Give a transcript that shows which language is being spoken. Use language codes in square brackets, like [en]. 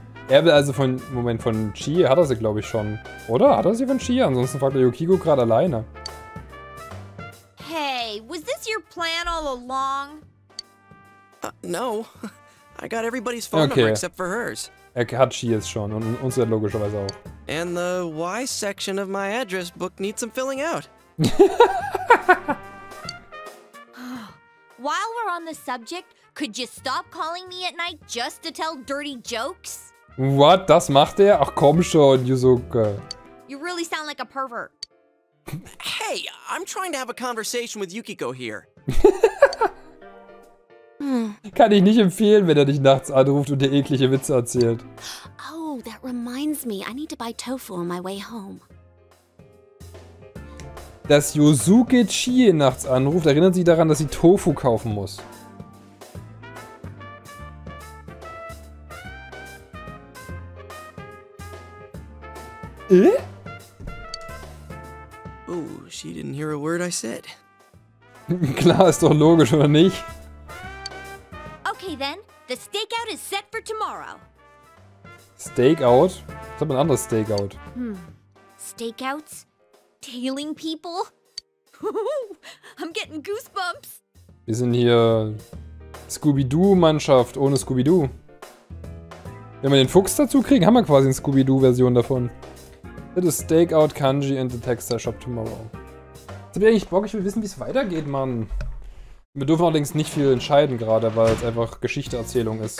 [de] Er will also von, Moment, von Chie hat er sie, glaube ich, schon. Oder? Hat er sie von Chie? Ansonsten fragt er Yukiko gerade alleine. [en] Hey, was this your plan all along? No. I got everybody's phone number except for hers. [de] Er hat Chie jetzt schon und uns ja logischerweise auch. [en] And the Y section of my address book needs some filling out. While we're on the subject, could you stop calling me at night just to tell dirty jokes? What? [de] Das macht er? Ach komm schon, Yusuke. [en] You really sound like a pervert. Hey, I'm trying to have a conversation with Yukiko here. [de] Kann ich nicht empfehlen, wenn er dich nachts anruft und dir eklige Witze erzählt. [en] Oh, that reminds me. I need to buy tofu on my way home. [de] Dass Yusuke Chie nachts anruft, erinnert sie daran, dass sie Tofu kaufen muss. [en] Oh, she didn't hear a word I said. [de] Klar, ist doch logisch, oder nicht? [en] Okay, then. The stakeout is set for tomorrow. [de] Stakeout? Was hat man anderes Stakeout? [en] Stakeouts? Tailing people? I'm getting goosebumps. [de] Wir sind hier Scooby-Doo-Mannschaft ohne Scooby-Doo. Wenn wir den Fuchs dazu kriegen, haben wir quasi eine Scooby-Doo-Version davon. [en] It is Stakeout Kanji in the Texter Shop tomorrow. [de] Jetzt hab ich eigentlich Bock, ich will wissen, wie es weitergeht, Mann. Wir dürfen allerdings nicht viel entscheiden gerade, weil es einfach Geschichteerzählung ist.